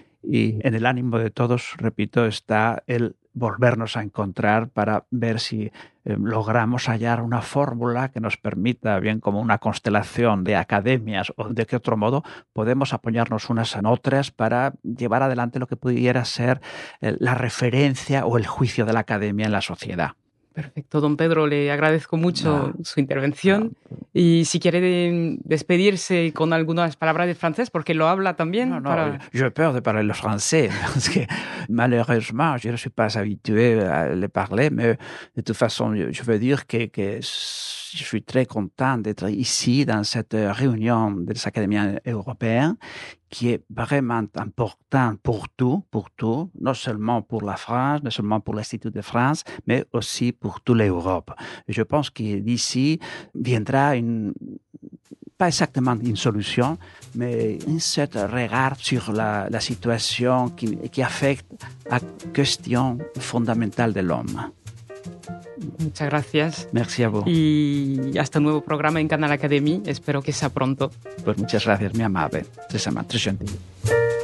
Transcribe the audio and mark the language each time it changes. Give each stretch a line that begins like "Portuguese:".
Spanish: Y en el ánimo de todos, repito, está el volvernos a encontrar para ver si logramos hallar una fórmula que nos permita, bien como una constelación de academias o de qué otro modo, podemos apoyarnos unas en otras para llevar adelante lo que pudiera ser la referencia o el juicio de la academia en la sociedad. Perfecto, don Pedro, le agradezco mucho su intervención. Y si quiere despedirse con algunas palabras de francés, porque lo habla también.
French: Je peur de parler le français, parce que malheureusement, je ne suis pas habitué à le parler, mais de toute façon, je veux dire que je suis très content d'être ici dans cette réunion des académies européennes, qui est vraiment important pour tout, non seulement pour la France, non seulement pour l'Institut de France, mais aussi pour toute l'Europe. Je pense que d'ici viendra une, pas exactement une solution, mais un certain regard sur la situation qui affecte la question fondamentale de l'homme.
Spanish: Muchas gracias.
French: Merci à vous.
Spanish: Y hasta un nuevo programa en Canal Academy. Espero que sea pronto. Pues muchas gracias, mi amable.
French: Très amable, très gentil.